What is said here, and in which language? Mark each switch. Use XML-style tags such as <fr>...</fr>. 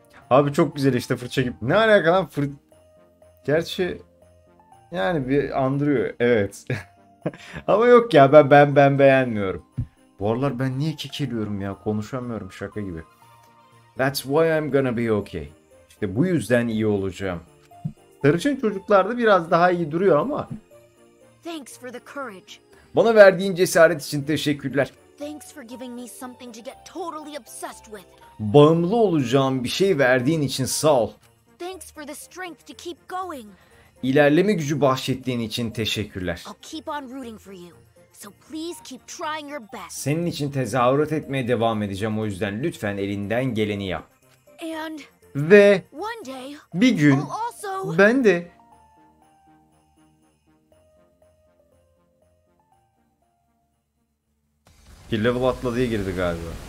<tr>Abi çok güzel işte fırça gibi. Ne alaka lan Gerçi yani bir andırıyor. Evet. Ama yok ya ben beğenmiyorum. Bu aralar ben niye kekeliyorum ya? Konuşamıyorum şaka gibi.</tr> <en>That's why I'm gonna be okay.</en> <tr>İşte bu yüzden iyi olacağım. Sarışın çocuklarda biraz daha iyi duruyor ama.</tr> <en>Thanks for the courage.</en> <tr>Bana verdiğin cesaret için teşekkürler.</tr> <en>Thanks for giving me something to get totally obsessed with.</en> <tr>Bağımlı olacağım bir şey verdiğin için sağ ol.</tr> <en>Thanks for the strength to keep going.</en> <tr>İlerleme gücü bahşettiğin için teşekkürler.</tr> <en>I'll keep on rooting for you. So please keep trying your best.</en> <tr>Senin için tezahürat etmeye devam edeceğim, o yüzden lütfen elinden geleni yap. And ve</tr> <en>one day,</en> <tr>bir gün also ben de bir level atladığı girdi galiba.</tr>